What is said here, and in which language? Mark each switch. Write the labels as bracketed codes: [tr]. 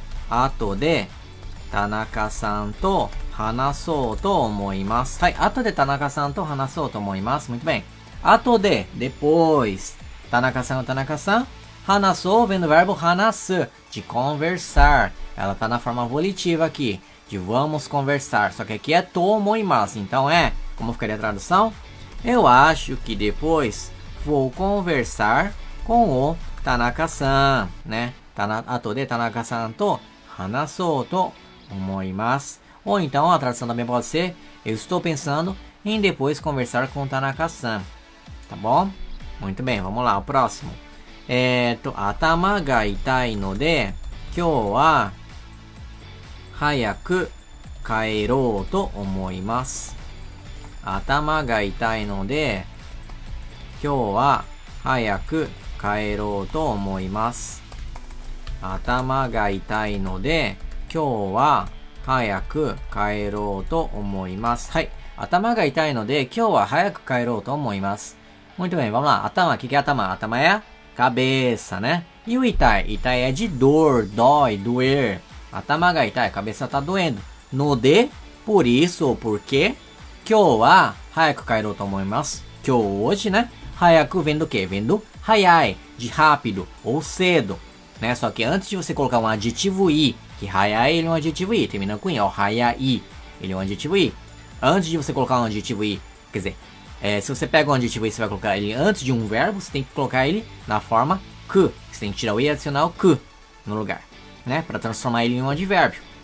[ja] 後で田中さんと話そうと思います。はい、後で田中さんと話そうと思います。 [pt] Muito bem。後で、depois、田中さん、話そう、vem do verbo 話す、de conversar。 Ela está na forma volitiva aqui, de vamos conversar. Só que aqui é と思います。 Então é, como ficaria a tradução? Eu acho que depois vou conversar com o Tanaka-san, né? [ja] Ato de Tanaka-san to hanasou to omoimasu. [pt] Ou então, a tradução também pode ser: eu estou pensando em depois conversar com o Tanaka-san. Tá bom? Muito bem, vamos lá, o próximo. [ja] Atama ga itai no de kyou wa hayaku kaerou to omoimasu. Atama ga itai no de 今日は早く帰ろうと思います。頭が痛いので今日は早く帰ろうと思います。はい、頭が痛いので今日は早く帰ろうと思います。 [pt] Muito bem, vamos lá. 頭、聞け頭。頭や cabeça, né? E o 痛い、痛いは de dor, dói, doer. 頭が痛い、cabeça tá doendo. ので、por isso ou por quê? [ja] 今日は早く帰ろうと思います。 [pt] 今日、hoje, né? Hayaku vem do quê? Vem do hayai, de rápido ou cedo, né? Só que antes de você colocar um adjetivo i, que haya ele é um adjetivo i, termina com i, ó, haya i, ele é um adjetivo i. Antes de você colocar um adjetivo i, quer dizer, se você pega um adjetivo i, você vai colocar ele antes de um verbo, você tem que colocar ele na forma ku, você tem que tirar o i e adicionar o ku no lugar, né, para transformar ele em um advérbio.